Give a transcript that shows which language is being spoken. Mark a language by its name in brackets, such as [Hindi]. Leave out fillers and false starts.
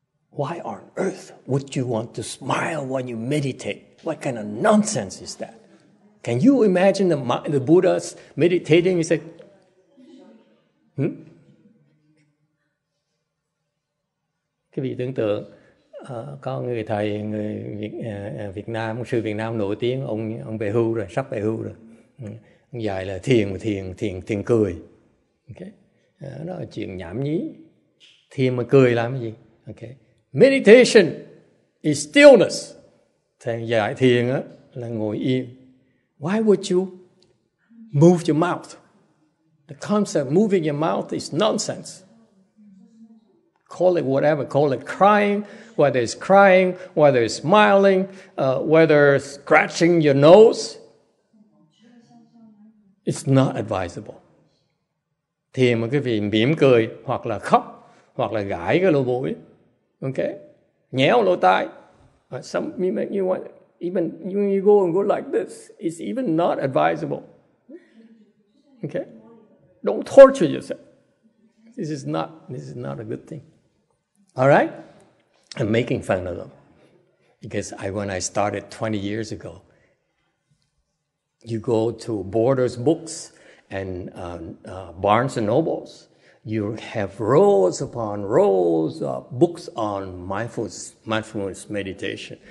[English] Why on earth would you want to smile when you meditate? What kind of nonsense is that? Can you imagine the Buddha's meditating? He said, [Vietnamese] Quý vị tưởng tượng, có người thầy người Việt Nam, sư Việt Nam nổi tiếng, ông về hưu rồi, sắp về hưu rồi. Ông dạy là thiền cười. Okay. Đó là chuyện nhảm nhí. Thiền mà cười làm cái gì? [English] Okay. Meditation is stillness. [Vietnamese] Thầy giải thiền á là ngồi yên. [English] Why would you move your mouth? The concept of moving your mouth is nonsense. Call it whatever, call it crying, whether it's crying, whether it's smiling, whether it's scratching your nose. It's not advisable. [Vietnamese] Thiền mà quý vị mỉm cười hoặc là khóc hoặc là gãi cái lỗ mũi, okay, nhéo lỗ tai. [English] Some mimic you want, even when you go and go like this, it's even not advisable. Okay, don't torture yourself. This is not a good thing. All right, I'm making fun of them because when I started 20 years ago, you go to Borders Books and Barnes and Nobles, you have rows upon rows of books on mindfulness meditation.